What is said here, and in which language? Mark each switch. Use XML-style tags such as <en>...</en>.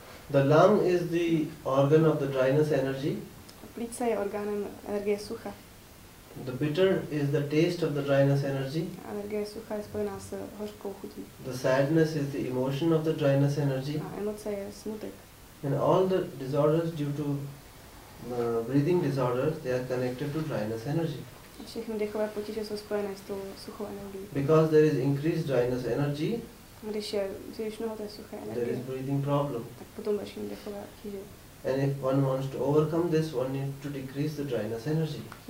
<en>The lung is the organ of the dryness energy.</en> <cs>Plíce je orgánem energie sucha.</cs> <en>The bitter is the taste of the dryness energy.</en> <cs>Energie sucha je spojená s hořkou chutí.</cs> <en>The sadness is the emotion of the dryness energy.</en> <cs>A emoce je smutek.</cs> <en>And all the disorders due to breathing disorders, they are connected to dryness energy.</en> <cs>Všechny dechové potíže jsou spojené s tou suchou energií.</cs> <en>Because there is increased dryness energy.</en> <cs>Když je příliš mnoho té suché energie.</cs> <en>There is breathing problem.</en> <cs>Tak potom začíná dechové potíže.</cs> <en>And if one wants to overcome this, one needs to decrease the dryness energy.</en>